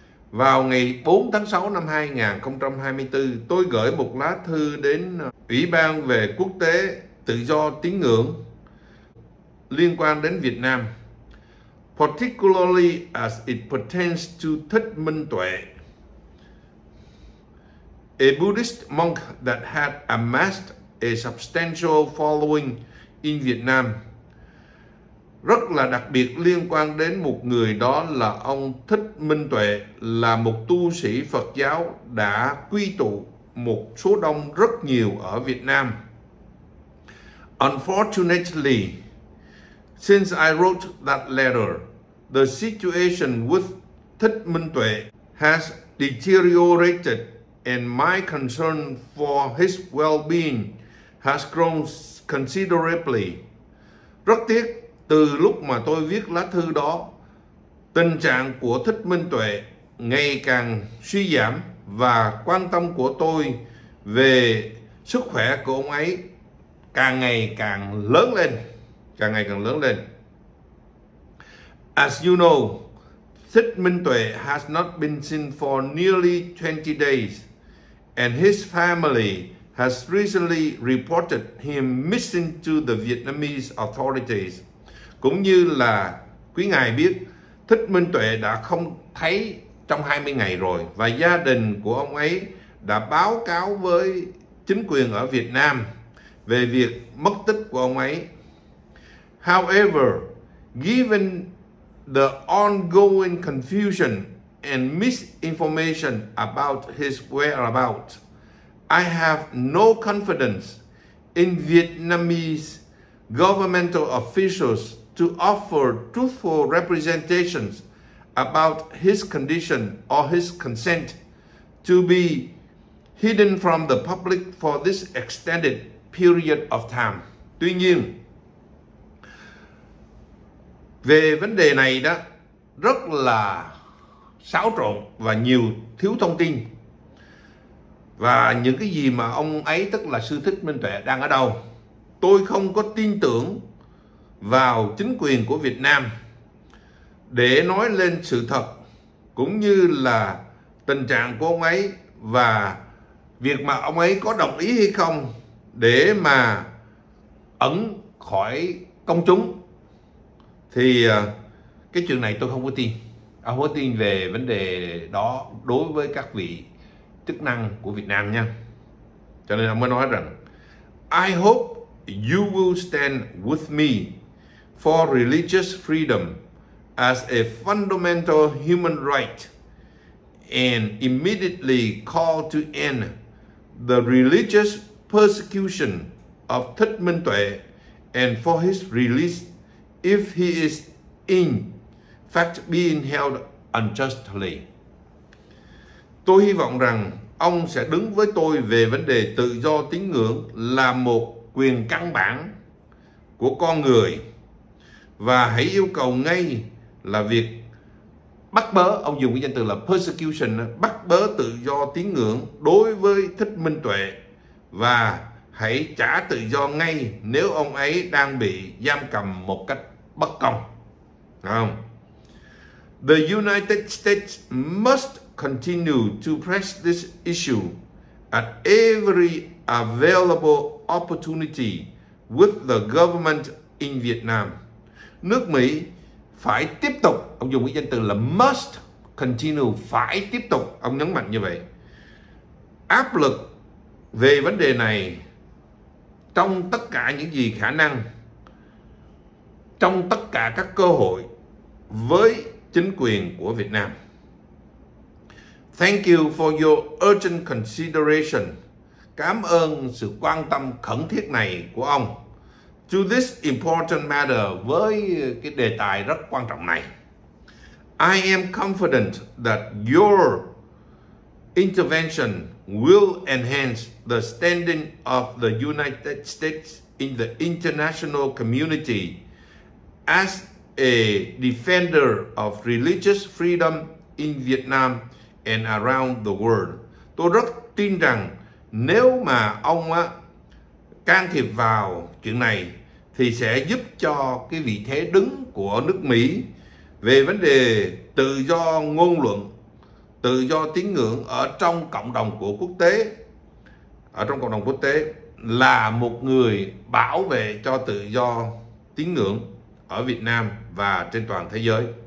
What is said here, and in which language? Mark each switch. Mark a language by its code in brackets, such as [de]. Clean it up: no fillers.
[vi] Vào ngày 4 tháng 6 năm 2024, tôi gửi một lá thư đến Ủy ban về Quốc tế Tự do Tín ngưỡng liên quan đến Việt Nam, [en] particularly as it pertains to Thích Minh Tuệ, a Buddhist monk that had amassed a substantial following in Vietnam. [vi] Rất là đặc biệt liên quan đến một người, đó là ông Thích Minh Tuệ, là một tu sĩ Phật giáo đã quy tụ một số đông rất nhiều ở Việt Nam. [en] Unfortunately, since I wrote that letter, the situation with Thích Minh Tuệ has deteriorated and my concern for his well-being has grown considerably. [vi] Rất tiếc, từ lúc mà tôi viết lá thư đó, tình trạng của Thích Minh Tuệ ngày càng suy giảm và quan tâm của tôi về sức khỏe của ông ấy càng ngày càng lớn lên, càng ngày càng lớn lên. [en] As you know, Thích Minh Tuệ has not been seen for nearly 20 days, and his family has recently reported him missing to the Vietnamese authorities. [vi] Cũng như là quý ngài biết, Thích Minh Tuệ đã không thấy trong 20 ngày rồi, và gia đình của ông ấy đã báo cáo với chính quyền ở Việt Nam về việc mất tích của ông ấy. [en] However, given the ongoing confusion and misinformation about his whereabouts, I have no confidence in Vietnamese governmental officials to offer truthful representations about his condition or his consent to be hidden from the public for this extended period of time. [vi] Tuy nhiên, về vấn đề này đó rất là xáo trộn và nhiều thiếu thông tin. Và những cái gì mà ông ấy, tức là sư Thích Minh Tuệ, đang ở đâu, tôi không có tin tưởng vào chính quyền của Việt Nam để nói lên sự thật cũng như là tình trạng của ông ấy, và việc mà ông ấy có đồng ý hay không để mà ẩn khỏi công chúng, thì cái chuyện này tôi không có tin. Không có tin về vấn đề đó đối với các vị chức năng của Việt Nam nha. Cho nên ông mới nói rằng [en] I hope you will stand with me for religious freedom as a fundamental human right and immediately call to end the religious persecution of Thích Minh Tuệ and for his release if he is in fact being held unjustly. [vi] Tôi hy vọng rằng ông sẽ đứng với tôi về vấn đề tự do tín ngưỡng là một quyền căn bản của con người, và hãy yêu cầu ngay là việc bắt bớ, ông dùng cái danh từ là persecution, bắt bớ tự do tín ngưỡng đối với Thích Minh Tuệ, và hãy trả tự do ngay nếu ông ấy đang bị giam cầm một cách bất công. Không? [en] The United States must continue to press this issue at every available opportunity with the government in Vietnam. [vi] Nước Mỹ phải tiếp tục, ông dùng cái danh từ là [en] must continue, [vi] phải tiếp tục, ông nhấn mạnh như vậy. Áp lực về vấn đề này trong tất cả những gì khả năng, trong tất cả các cơ hội với chính quyền của Việt Nam. [en] Thank you for your urgent consideration. [vi] Cảm ơn sự quan tâm khẩn thiết này của ông [en] to this important matter, [vi] với cái đề tài rất quan trọng này. [en] I am confident that your intervention will enhance the standing of the United States in the international community as a defender of religious freedom in Vietnam and around the world. [vi] Tôi rất tin rằng nếu mà ông á can thiệp vào chuyện này thì sẽ giúp cho cái vị thế đứng của nước Mỹ về vấn đề tự do ngôn luận, tự do tín ngưỡng ở trong cộng đồng của quốc tế, ở trong cộng đồng quốc tế, là một người bảo vệ cho tự do tín ngưỡng ở Việt Nam và trên toàn thế giới.